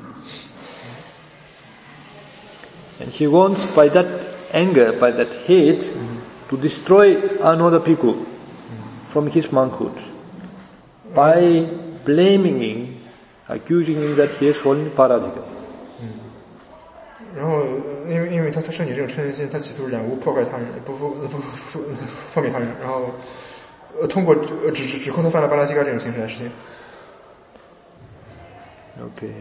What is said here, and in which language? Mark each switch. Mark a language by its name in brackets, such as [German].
[Chinese] 然后这个地方恶称，大家要解释第一个词，恶称大家可以看那个疑惑读的第73页。然后恶称是指他那个心已经被染污了，那个而且他是被嗔恚所染污。 [English] And he wants by that anger, by that hate, to destroy another bhikkhu from his monkhood by blaming him, accusing him that he has fallen parajika. [Chinese] 然后，因为他升起这种嗔恨心，他企图染污破坏他人，不奉给他人，然后通过指控他犯了巴拉西嘎这种形式来实现。 [English] Okay,